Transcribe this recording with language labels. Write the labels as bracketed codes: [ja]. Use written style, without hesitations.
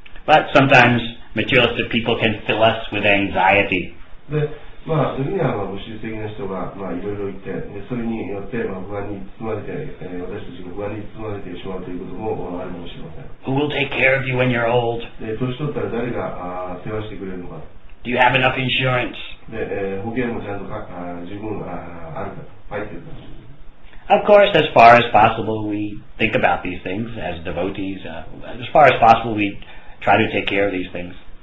[en] But sometimes materialistic people can fill us with anxiety. [ja] まあ、それには、まあ、宗教的な人が、まあ、いろいろ言って、でそれによって、まあ、不安に包まれて、私たちが不安に包まれてしまうということもあるかもしれません。 [en] Who will take care of you when you're old? [ja] で、年取ったら誰が、世話してくれるのか。 [en] Do you have enough insurance? [ja] で、保険もちゃんとか、十分、あるか、入ってるか。 [en] Of course, as far as possible, we think about these things as devotees. As far as possible, we try to take care of these things.